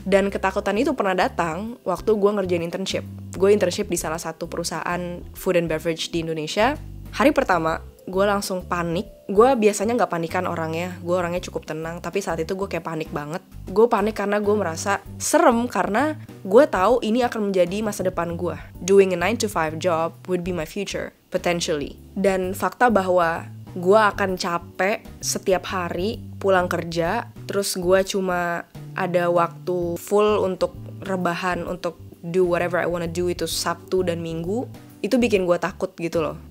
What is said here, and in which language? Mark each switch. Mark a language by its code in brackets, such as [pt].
[id] Dan ketakutan itu pernah datang waktu gue ngerjain internship. Gue internship di salah satu perusahaan food and beverage di Indonesia. Hari pertama, gue langsung panik. Gue biasanya gak panikan orangnya, gue orangnya cukup tenang, tapi saat itu gue kayak panik banget. Gue panik karena gue merasa serem, karena gue tahu ini akan menjadi masa depan gue. [en] Doing a 9 to 5 job would be my future, potentially. [id] Dan fakta bahwa gue akan capek setiap hari pulang kerja, terus gue cuma ada waktu full untuk rebahan, untuk [en] do whatever I wanna do [id] itu Sabtu dan Minggu, itu bikin gue takut gitu loh.